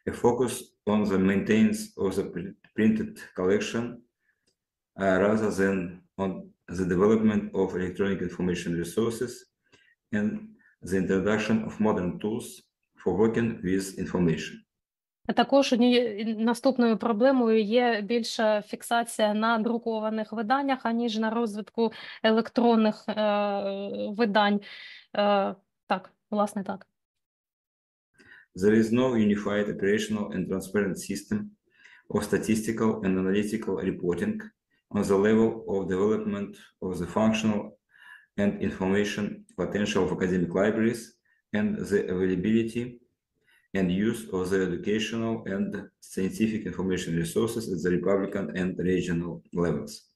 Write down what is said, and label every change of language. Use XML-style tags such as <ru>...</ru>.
<en>A focus on the maintenance of the printed collection rather than on the development of electronic information resources and the introduction of modern tools for working with information.</en> <uk>Також наступною проблемою є більша фіксація на друкованих виданнях, аніж на розвитку електронних видань. Так, власне, так.</uk> <en>There is no unified operational and transparent system of statistical and analytical reporting on the level of development of the functional and information potential of academic libraries and the availability and use of the educational and scientific information resources at the Republican and regional levels.</en>